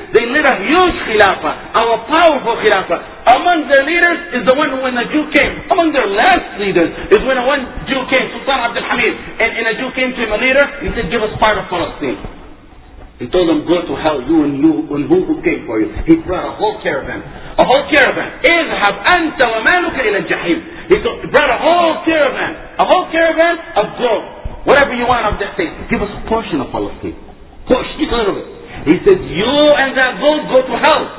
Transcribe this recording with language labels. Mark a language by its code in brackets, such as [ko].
[en] They led a huge khilafah, a powerful khilafah. Among their leaders is the one who, when a Jew came, among their last leaders is when one Jew came, Sultan Abdul Hamid. And a Jew came to him, a leader, he said, give us part of Palestine. He told them, go to hell, you and you and who came for you. He brought a whole caravan. A whole caravan. [ar] اذهب أنت ومالك إلى الجحيم. [en] He brought a whole caravan. A whole caravan of gold. Whatever you want of that thing. Give us a portion of Palestine. Push, just a little bit. He said, you and that gold go to hell.